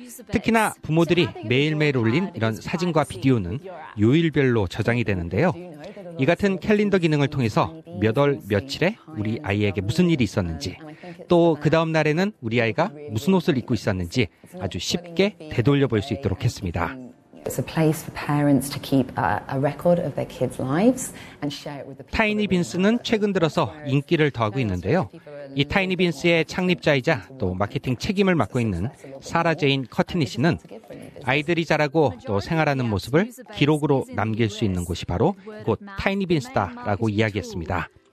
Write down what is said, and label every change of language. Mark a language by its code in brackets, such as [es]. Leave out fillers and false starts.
[ko] 특히나 부모들이 매일매일 올린 이런 사진과 비디오는 요일별로 저장이 되는데요. 이 같은 캘린더 기능을 통해서 몇 월 며칠에 우리 아이에게 무슨 일이 있었는지, 또 그 다음 날에는 우리 아이가 무슨 옷을 입고 있었는지 아주 쉽게 되돌려 볼 수 있도록 했습니다. [en] It's a place for parents to keep a record of their kids' lives and share it with the people. [ko] 타이니 빈스는 최근 들어서 인기를 더하고 있는데요. 이 타이니 빈스의 창립자이자 또 마케팅 책임을 맡고 있는 사라 제인 커트니 씨는 아이들이 자라고 또 생활하는 모습을 기록으로 남길 수 있는 곳이 바로 곧 타이니 빈스다라고 이야기했습니다.